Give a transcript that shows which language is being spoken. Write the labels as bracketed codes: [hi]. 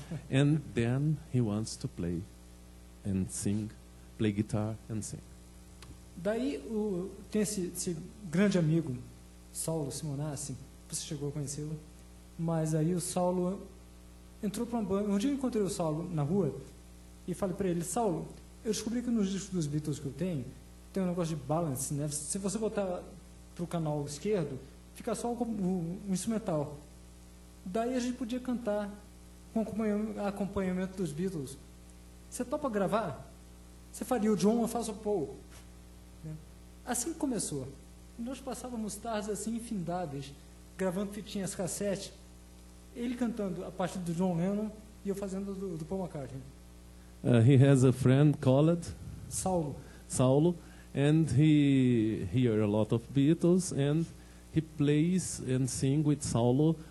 [en] And then he wants to play and sing, play guitar and sing. [pt] Daí tem esse grande amigo, Saulo Simonassi, você chegou a conhecê-lo, mas aí o Saulo entrou para um banco. Um dia eu encontrei o Saulo na rua e falei para ele, Saulo, eu descobri que nos discos dos Beatles que eu tenho, tem um negócio de balance, né? Se você botar pro canal esquerdo, fica só um instrumental. Daí a gente podia cantar com acompanhamento dos Beatles. Você topa gravar? Você faria o John, eu faço o Paul. Assim que começou. Nós passávamos tardes assim, infindáveis, gravando fitinhas cassete, ele cantando a parte do John Lennon e eu fazendo do Paul McCartney. [en] He has a friend called... Saulo. Saulo. And he hears a lot of Beatles, and he plays and sings with Saulo.